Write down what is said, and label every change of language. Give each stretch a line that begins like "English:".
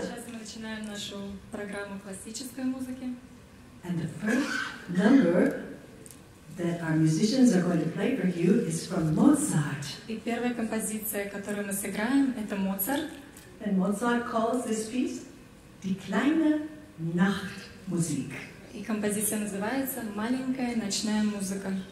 Russian: Сейчас мы начинаем нашу программу классической музыки.
English: And the first number that our musicians are going to play for you is from Mozart.
Russian: И первая композиция, которую мы сыграем, это Моцарт.
English: And Mozart calls this piece Die kleine Nachtmusik.
Russian: И композиция называется «Маленькая ночная музыка».